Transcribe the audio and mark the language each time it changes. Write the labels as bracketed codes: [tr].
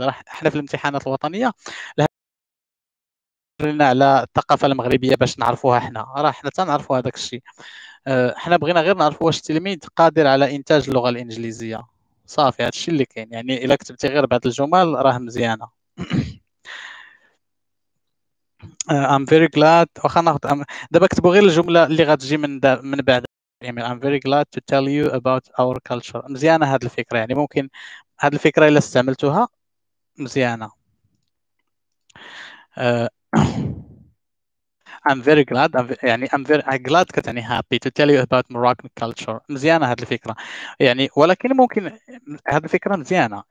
[ar] راه احنا في الامتحانات الوطنيه لنا على الثقافه المغربيه باش نعرفوها، احنا راه حنا تنعرفوا هذاك الشيء، احنا بغينا غير نعرفوا واش التلميذ قادر على انتاج اللغه الانجليزيه صافي، هذا الشيء اللي كاين. يعني الا كتبتي غير بعض الجمل راه مزيانه. [en] I'm very glad. [ar] واخا ناخذ دابا كتبوا غير الجمله اللي غتجي من بعد الايميل. [en] I'm very glad to tell you about our culture. [ar] مزيانه هذه الفكره، يعني ممكن هذه الفكره الا استعملتوها مزيانه. [en] I'm very glad. [ar] يعني [en] I'm very glad [ar] كتعني [en] happy to tell you about Moroccan culture. [ar] مزيانة هاد الفكرة. يعني ولكن ممكن هاد الفكرة مزيانة.